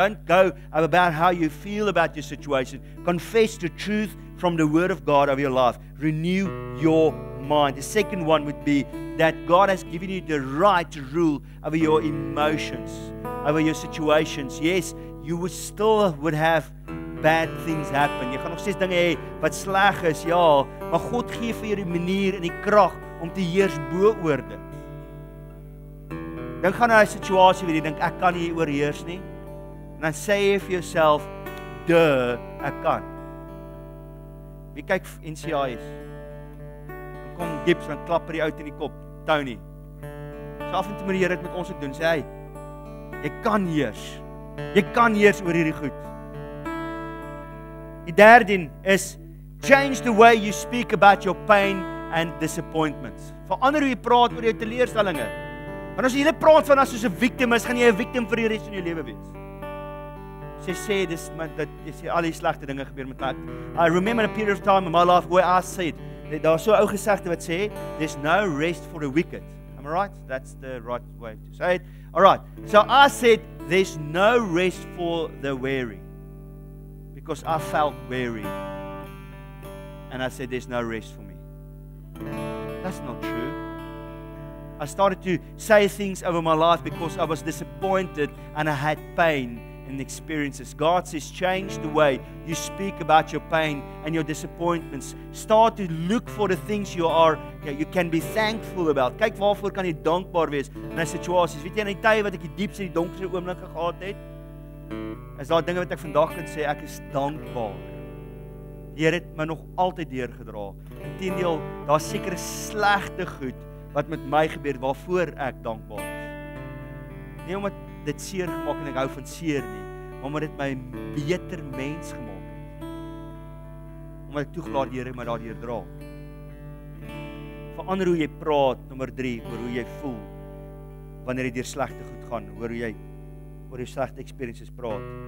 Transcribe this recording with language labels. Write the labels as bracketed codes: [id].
[en] Don't go about how you feel about your situation. Confess the truth from the Word of God over your life. Renew your mind. The second one would be that God has given you the right to rule over your emotions, over your situations. Yes, you would still would have bad things happen. [af] Jy gaan nog steeds dinge hê wat sleg is, ja, maar God gee vir jou die manier en die krag om te heers bo oor dit. Dan gaan hy 'n situasie weer, jy dink ek kan nie oorheers nie. En dan sê jy vir jouself, "Duh, ek kan." Wie kyk NCIS? Kom Gibbs en klap vir die ou in die kop, Tony. So af en toe moet die Here dit met ons ook doen. Sê hy, "Jy kan heers. Jy kan heers oor hierdie goed." Die derde is [en] change the way you speak about your pain and disappointments. [af] Verander hoe jy praat oor jou teleurstellings. Want as jy hele praat van as soos 'n victim is, gaan jy 'n victim vir die res van jou lewe wees. Sy sê, dis maar dat jy sê al die slegte dinge gebeur met my. [en] I remember a period of time in my life where I said, [af] daar's so 'n ou gesegde wat sê, [en] there's no rest for the wicked. Am I right? That's the right way to say it. All right. So I said, there's no rest for the weary. Because I felt weary. And I said, there's no rest for me. That's not true. I started to say things over my life because I was disappointed and I had pain and experiences. God says, change the way you speak about your pain and your disappointments. Start to look for the things you are, you can be thankful about. [af] Kyk waarvoor kan jy dankbaar wees in 'n situasie. Weet jy, in die tye wat ek die diepste, die donkerste oomblikke gehad het, is daar dinge wat ek vandag kan sê, ek is dankbaar. Die Here het my nog altyd deurgedra. Inteendeel, daar's sekere slegte goed wat met my gebeur, waarvoor ek dankbaar is. Nie omdat dit seer gemaak en ek hou van seer nie, maar omdat dit my beter mens gemaak het. Omdat ek toegelaat die Here my daardeur dra. Verander hoe jy praat, nummer 3, oor hoe jy voel, wanneer jy deur slegte goed gaan, oor hoe jy oor jou slegte experiences praat.